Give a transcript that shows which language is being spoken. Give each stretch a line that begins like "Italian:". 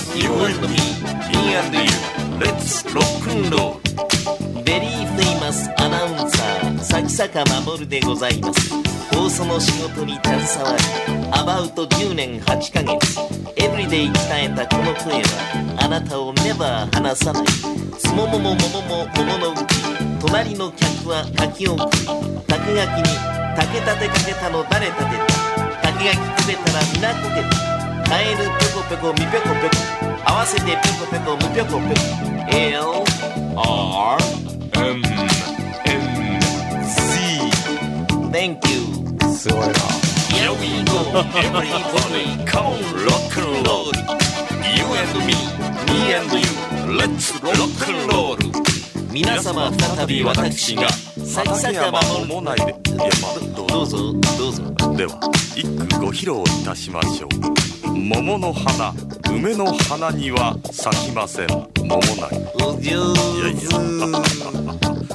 English: You and me, me and you, Let's rock and roll。
Japanese: ベリーフェイマスアナウンサー、サキサカ守でございます。放送の仕事に携わりアバウト10年8ヶ月、エブリデイ鍛えたこの声はあなたをネバー離さない。つもももももも桃のうち、隣の客は柿を食い、竹垣に竹立てかけたの誰立てた、竹垣くべたら皆こけた、カエルペコペコミペコペコ、合わせてペコペコムペコペコ、 L R M N Z
English: Thank you。
Japanese: すごいな。
English: Here we go everybody come rock and roll、 You and me, me and you, Let's rock and roll。
Japanese: 皆様再び私がさきさきは守もないで、いや、まあ、どうぞどうぞ、では一句ご披露いたしましょう。桃の花、梅の花には咲きません、桃ない。お上手。